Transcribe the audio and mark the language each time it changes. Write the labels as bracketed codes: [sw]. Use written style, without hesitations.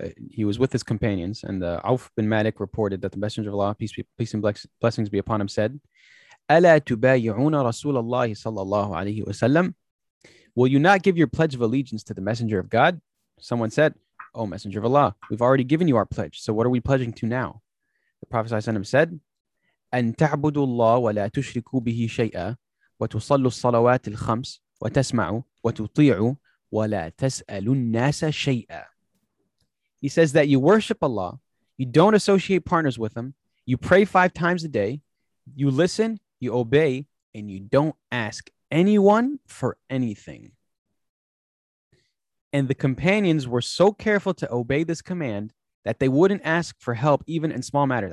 [en] He was with his companions, and the Auf bin Malik reported that the Messenger of Allah, peace and blessings be upon him, said, [ar] أَلَا تُبَايِعُونَ رَسُولَ اللَّهِ صَلَّى اللَّهُ عَلَيْهِ وَسَلَّمْ. [en] Will you not give your pledge of allegiance to the Messenger of God? Someone said, oh, Messenger of Allah, we've already given you our pledge. So what are we pledging to now? The Prophet sent him said, [ar] أن تعبدوا الله ولا تشركوا به شيئا وتصلوا الصلوات الخمس وتسمعوا وتطيعوا ولا تسألوا الناس شيئا. [en] He says that you worship Allah, you don't associate partners with Him, you pray five times a day, you listen, you obey, and you don't ask anyone for anything. And the companions were so careful to obey this command that they wouldn't ask for help even in small matters.